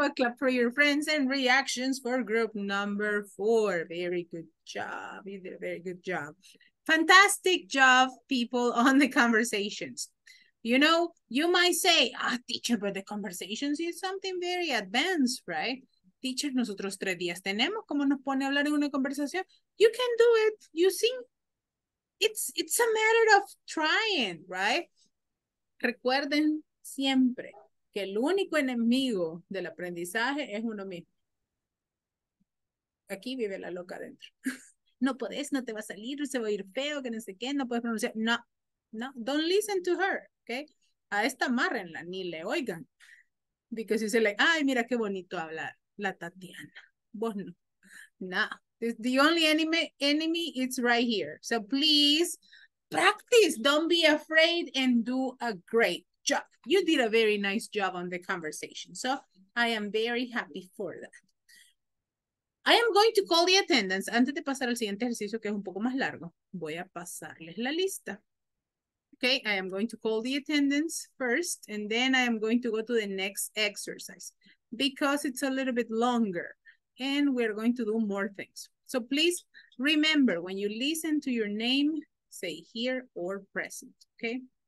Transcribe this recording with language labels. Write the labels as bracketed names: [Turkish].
[English] A clap for your friends and reactions for group number four. Very good job. You did a very good job. Fantastic job, people, on the conversations. You know, you might say, ah, teacher, but the conversations is something very advanced, right? [Spanish] Teacher, nosotros 3 días tenemos, ¿cómo nos pone a hablar en una conversación? [English] You can do it, you see? It's a matter of trying, right? [Spanish] recuerden siempre que el único enemigo del aprendizaje es uno mismo. Aquí vive la loca adentro. No podés, no te va a salir, se va a ir feo, que no sé qué, no puedes pronunciar. [English] No, no, don't listen to her, okay? [Spanish] A esta amárrenla, ni le oigan. [English] Because you say like, [Spanish] ay, mira qué bonito hablar, la Tatiana. Vos no. [English] Nah, it's the only enemy is right here. So please, practice, don't be afraid and do a great job. You did a very nice job on the conversation. So I am very happy for that. I am going to call the attendance. [Spanish] Antes de pasar al siguiente ejercicio, que es un poco más largo, voy a pasarles la lista. [English] Okay, I am going to call the attendance first, and then I am going to go to the next exercise because it's a little bit longer, and we're going to do more things. So please remember, when you listen to your name, say here or present, okay?